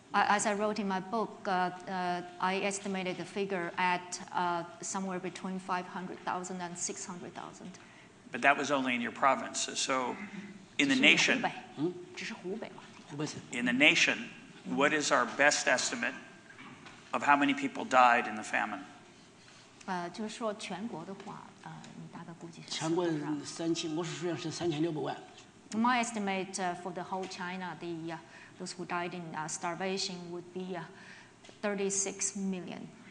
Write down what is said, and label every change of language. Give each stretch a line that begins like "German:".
English: As I wrote in my book, I estimated the figure at somewhere between 500,000 and 600,000. But that was only in your province. So, in the nation,
Chinese: 只是湖北嘛，湖北省。
English: In the nation, what is our best estimate of how many people died in the famine?
Chinese: 就是说全国的话，你大概估计是全国三千，我书上是3600万。
English: My estimate for the whole China, the those who died in starvation would be 36 million.